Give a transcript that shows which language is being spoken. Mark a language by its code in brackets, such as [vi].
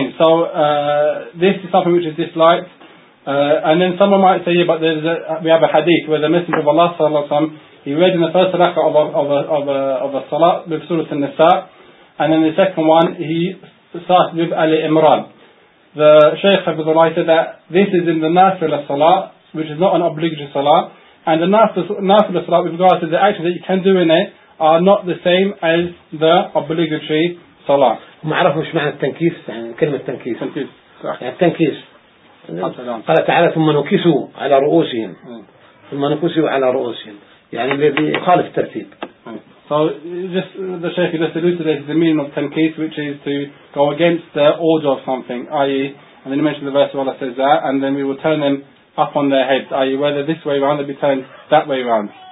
[en] So this is something which is disliked. And then someone might say, yeah, but we have a hadith where the Messenger of Allah sallallahu alaihi wasallam, he read in the first rak'ah of a salat with Surah An-Nisa, and then the second one he starts with Ali Imran. The Shaykh Hafizullah said that this is in the Nafila salat, which is not an obligatory salat, and the Nafila salat with regards to the actions that you can do in it are not the same as the obligatory salat. [ar] ما عرف مش معنى التنكيس يعني كلمة تنكيس يعني التنكيس قال تعالى ثم نكسوا على رؤوسهم ثم نكسوا على رؤوسهم يعني الذي يخالف الترتيب. [en] So just the Shaykh just alluded to the meaning of tankis, which is to go against the order of something, i.e. and then he mentioned the verse where Allah says that, and then we will turn them up on their heads, i.e. whether this way around they'll be turned that way around.